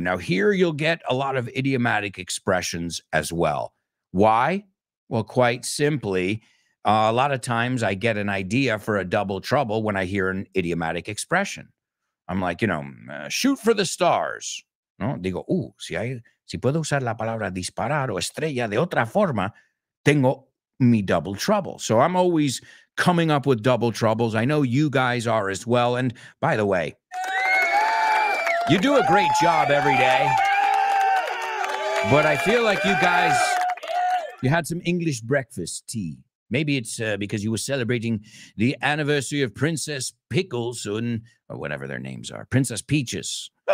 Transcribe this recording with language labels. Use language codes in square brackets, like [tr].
[en] Now, here you'll get a lot of idiomatic expressions as well. Why? Well, quite simply, a lot of times I get an idea for a double trouble when I hear an idiomatic expression. I'm like, you know, shoot for the stars. [es] No, digo, si hay... Si puedo usar la palabra disparar o estrella de otra forma, tengo mi double trouble. [en] So I'm always coming up with double troubles. I know you guys are as well. And by the way, you do a great job every day. But I feel like you guys, you had some English breakfast tea. Maybe it's because you were celebrating the anniversary of Princess Pickles or whatever their names are. Princess Peaches.